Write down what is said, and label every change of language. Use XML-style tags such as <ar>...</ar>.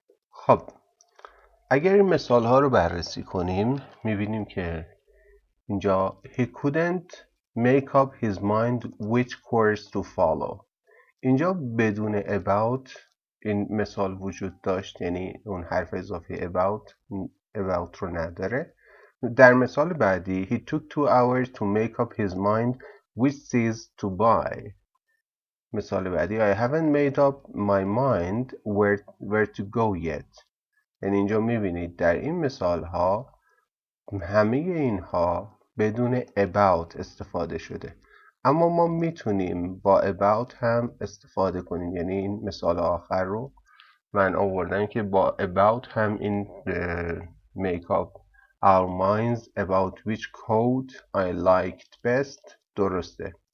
<fa>خب اگر این مثال ها رو بررسی کنیم میبینیم که اینجا</fa> <en>he couldn't make up his mind which course to follow.</en> <fa>اینجا بدون about این مثال وجود داشت، یعنی اون حرف اضافه about رو نداره. در مثال بعدی</fa> <en>he took 2 hours to make up his mind which seeds to buy.</en> <fa>مثال بعدی</fa> <en>I haven't made up my mind where to go yet.</en> <fa>یعنی اینجا میبینید در این مثال ها همه اینها بدون about استفاده شده، اما ما میتونیم با about هم استفاده کنیم. یعنی این مثال آخر رو من آوردم که با about هم این</fa> <en>make up our minds about which coat I liked best</en> <fa>درسته.</fa>